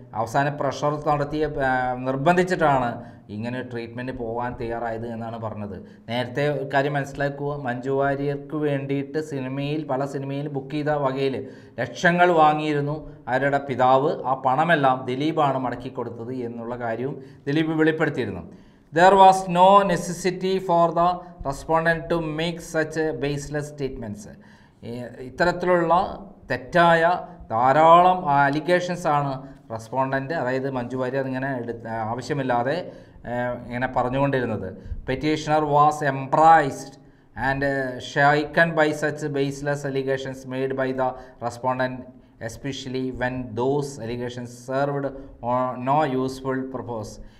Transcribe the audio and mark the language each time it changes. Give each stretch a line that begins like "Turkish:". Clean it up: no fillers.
Malayalam: അവസാന പ്രഷർ നടത്തിയ നിർബന്ധിച്ചിട്ടാണ് ഇങ്ങനെ ട്രീറ്റ്മെൻറ്റ് പോകാൻ തയ്യാറായത് എന്നാണ് പറഞ്ഞത്. നേരത്തെ ഒരു കാര്യം മനസ്സിലാക്കുക, മഞ്ജു വാര്യർക്ക് വേണ്ടിയിട്ട് സിനിമയിൽ പല സിനിമയിലും ബുക്ക് ചെയ്ത വകയിൽ ലക്ഷങ്ങൾ വാങ്ങിയിരുന്നു അവരുടെ പിതാവ്. ആ പണമെല്ലാം ദിലീപാണ് മടക്കി കൊടുത്തത് എന്നുള്ള കാര്യവും ദിലീപ് വെളിപ്പെടുത്തിയിരുന്നു.
English: There was no necessity for the respondent to make such baseless statements.
Malayalam: ഇത്തരത്തിലുള്ള തെറ്റായ ധാരാളം അലിഗേഷൻസാണ് റെസ്പോണ്ടൻ്റ് അതായത് മഞ്ജു വാര്യർ ഇങ്ങനെ ആവശ്യമില്ലാതെ ഇങ്ങനെ പറഞ്ഞുകൊണ്ടിരുന്നത്.
English: Petitioner was apprised and shaken by such baseless allegations made by the respondent especially when those allegations served on no useful purpose.